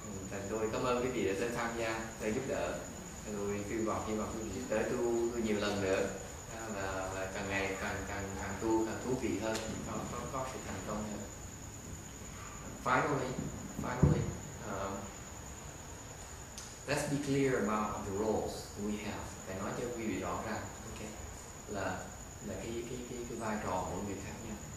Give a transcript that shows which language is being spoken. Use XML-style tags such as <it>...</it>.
<vi>Thành tôi cảm ơn quý vị đã tới tham gia, tới giúp đỡ. Tôi hy vọng quý vị tới tu nhiều lần nữa. Và càng ngày càng tu càng thú vị hơn, có sự thành công hơn.</vi> <en>Finally, let's be clear about the roles we have.</en> <vi>Để nói cho quý vị rõ ràng, okay. Là cái vai trò của người khác nha.</vi>